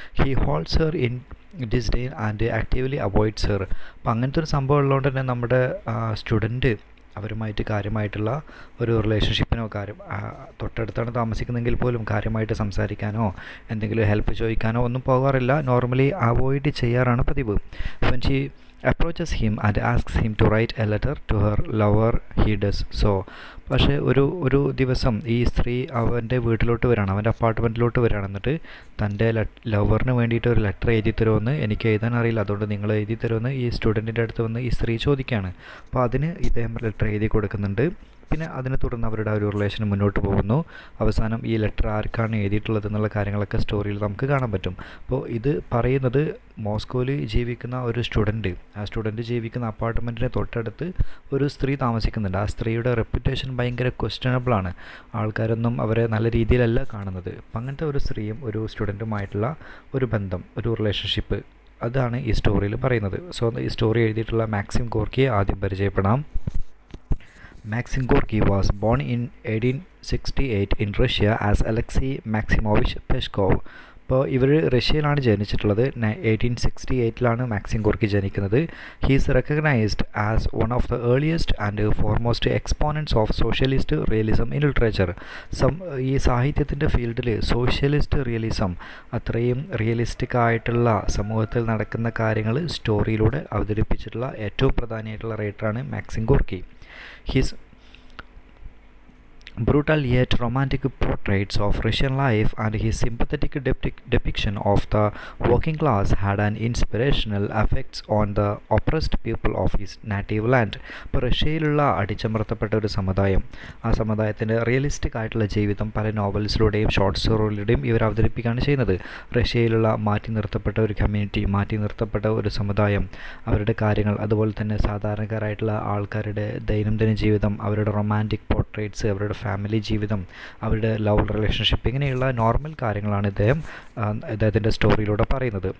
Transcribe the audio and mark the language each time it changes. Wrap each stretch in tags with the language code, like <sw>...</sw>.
<en>He holds her in disdain and actively avoids her.</en> <ml>അപ്പോൾ അങ്ങനത്തെ ഒരു സംഭവം ഉള്ളതുകൊണ്ട് തന്നെ നമ്മുടെ സ്റ്റുഡൻറ്റ് അവരുമായിട്ട് കാര്യമായിട്ടുള്ള ഒരു റിലേഷൻഷിപ്പിനോ, കാര്യം തൊട്ടടുത്താണ് താമസിക്കുന്നതെങ്കിൽ പോലും കാര്യമായിട്ട് സംസാരിക്കാനോ എന്തെങ്കിലും ഹെൽപ്പ് ചോദിക്കാനോ ഒന്നും പോകാറില്ല. നോർമലി അവോയ്ഡ് ചെയ്യാറാണ് പതിവ്.</ml> <en>When she approaches him and asks him to write a letter to her lover, he does so.</en> <ml>പക്ഷേ ഒരു ഒരു ദിവസം ഈ സ്ത്രീ അവൻ്റെ വീട്ടിലോട്ട് വരാണ്, അവൻ്റെ അപ്പാർട്ട്മെൻറ്റിലോട്ട് വരാണ്. എന്നിട്ട് തൻ്റെ ലവറിന് വേണ്ടിയിട്ട് ഒരു ലെറ്റർ എഴുതി തരുമെന്ന് എനിക്ക് എഴുതാൻ അറിയില്ല, അതുകൊണ്ട് നിങ്ങൾ എഴുതി തരുമെന്ന് ഈ സ്റ്റുഡൻറ്റിൻ്റെ അടുത്ത് വന്ന് ഈ സ്ത്രീ ചോദിക്കുകയാണ്. അപ്പോൾ അതിന് ഇദ്ദേഹം ലെറ്റർ എഴുതി കൊടുക്കുന്നുണ്ട്. പിന്നെ അതിനെ തുടർന്ന് അവരുടെ ഒരു റിലേഷൻ മുന്നോട്ട് പോകുന്നു. അവസാനം ഈ ലെറ്റർ ആർക്കാണ് എഴുതിയിട്ടുള്ളത് എന്നുള്ള കാര്യങ്ങളൊക്കെ സ്റ്റോറിയിൽ നമുക്ക് കാണാൻ പറ്റും. അപ്പോൾ ഇത് പറയുന്നത് മോസ്കോയിൽ ജീവിക്കുന്ന ഒരു സ്റ്റുഡൻറ്റ്, ആ സ്റ്റുഡൻറ്റ് ജീവിക്കുന്ന അപ്പാർട്ട്മെൻറ്റിനെ തൊട്ടടുത്ത് ഒരു സ്ത്രീ താമസിക്കുന്നുണ്ട്. ആ സ്ത്രീയുടെ റെപ്യൂട്ടേഷൻ ഭയങ്കര ക്വസ്റ്റ്യനബിളാണ്, ആൾക്കാരൊന്നും അവരെ നല്ല രീതിയിലല്ല കാണുന്നത്. അപ്പം അങ്ങനത്തെ ഒരു സ്ത്രീയും ഒരു സ്റ്റുഡൻറ്റുമായിട്ടുള്ള ഒരു ബന്ധം, ഒരു റിലേഷൻഷിപ്പ്, അതാണ് ഈ സ്റ്റോറിയിൽ പറയുന്നത്. സോ ഈ സ്റ്റോറി എഴുതിയിട്ടുള്ള മാക്സിം ഗോർക്കിയെ ആദ്യം പരിചയപ്പെടാം.</ml> <en>Maxim Gorky was born in 1868 in Russia as Alexey Maximovich Peshkov.</en> <ml>ഇപ്പോൾ ഇവർ റഷ്യയിലാണ് ജനിച്ചിട്ടുള്ളത്. 1868 മാക്സിം ഗോർക്കി ജനിക്കുന്നത്.</ml> <en>He is recognised as one of the earliest and foremost exponents of socialist realism in literature.</en> <ml>ഈ സാഹിത്യത്തിൻ്റെ ഫീൽഡിൽ socialist realism, അത്രയും realistic ആയിട്ടുള്ള സമൂഹത്തിൽ നടക്കുന്ന കാര്യങ്ങൾ സ്റ്റോറിയിലൂടെ അവതരിപ്പിച്ചിട്ടുള്ള ഏറ്റവും പ്രധാനമായിട്ടുള്ള റൈറ്ററാണ് Maxim Gorky.</ml> <en>His brutal yet romantic portraits of Russian life and his sympathetic depiction of the working class had an inspirational effects on the oppressed people of his native land.</en> <ml>പ്രഷ്യയിലുള്ള അടിച്ചമർത്തപ്പെട്ട ഒരു സമുദായം, ആ സമുദായത്തിൻ്റെ റിയലിസ്റ്റിക് ആയിട്ടുള്ള ജീവിതം പല നോവൽസിലൂടെയും short സ്റ്റോറിയിലൂടെയും ഇവർ അവതരിപ്പിക്കുകയാണ് ചെയ്യുന്നത്. റഷ്യയിലുള്ള മാറ്റി നിർത്തപ്പെട്ട ഒരു കമ്മ്യൂണിറ്റി, മാറ്റി നിർത്തപ്പെട്ട ഒരു സമുദായം, അവരുടെ കാര്യങ്ങൾ, അതുപോലെ തന്നെ സാധാരണക്കാരായിട്ടുള്ള ആൾക്കാരുടെ ദൈനംദിന ജീവിതം, അവരുടെ റൊമാൻറ്റിക് പോർട്രേറ്റ്സ്, അവരുടെ ഫാമിലി ജീവിതം, അവരുടെ ലവ് റിലേഷൻഷിപ്പ്, ഇങ്ങനെയുള്ള നോർമൽ കാര്യങ്ങളാണ് അദ്ദേഹത്തിൻ്റെ സ്റ്റോറിയിലൂടെ പറയുന്നത്.</ml>